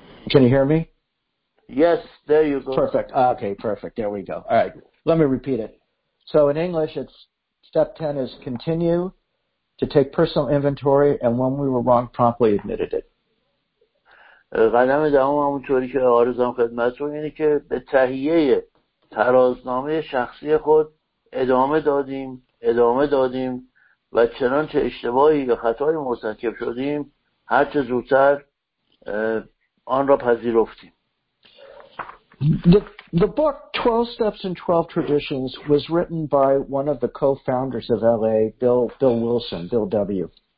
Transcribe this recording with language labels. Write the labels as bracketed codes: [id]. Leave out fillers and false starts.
[en] Can you hear me? Yes, there you go. Perfect. Okay, perfect. There we go. All right. Let me repeat it. So in English, it's step 10 is continue to take personal inventory, and when we were wrong, promptly admitted it. [fa] قدم دوم همونطوری که آرزوام خدمتتون اینه که به تهیه ترازنامه شخصی خود ادامه دادیم و چنانچه اشتباهی یا خطایی مرتکب شدیم هر چه زودتر آن را پذیرفتیم. [en] The book 12 Steps and 12 Traditions was written by one of the co-founders of LA, Bill Wilson, Bill W.